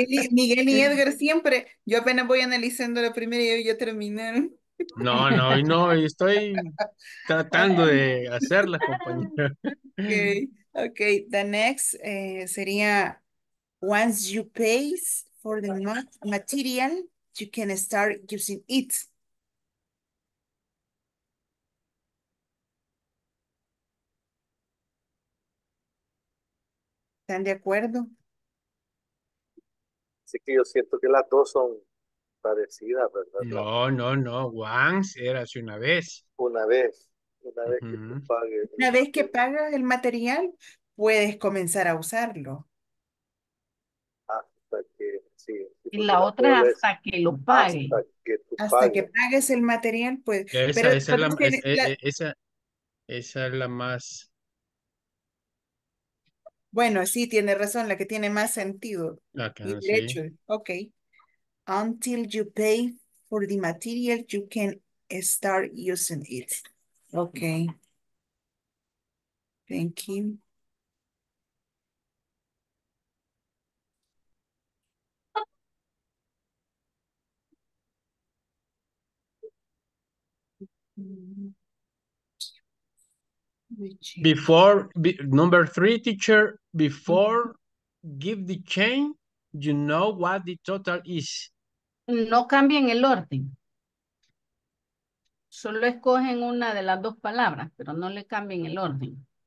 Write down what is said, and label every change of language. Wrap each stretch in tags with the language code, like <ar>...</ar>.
<es>Miguel y Edgar siempre, yo apenas voy analizando la primera y ya terminaron. No, no, no, estoy tratando de hacerla, compañera.</es> <en>Okay, the next sería, once you pay for the material, you can start using it.</en> <es>¿Están de acuerdo? Así que yo siento que las dos son parecidas, ¿verdad? No, no, no. Once era hace una vez. Una vez. Una vez que tú pagues. Una vez que pagas el material, puedes comenzar a usarlo. Hasta que, sí. Y la otra, hasta que lo pague. Hasta que pagues el material, pues. Esa es la más... Bueno, sí, tiene razón, la que tiene más sentido. Okay, y derecho. Sí. Ok.</es> <en>Until you pay for the material, you can start using it. Ok. Thank you. Before, number three, teacher, before give the chain, you know what the total is.</en> <es>No cambien el orden. Solo escogen una de las dos palabras, pero no le cambien el orden.</es>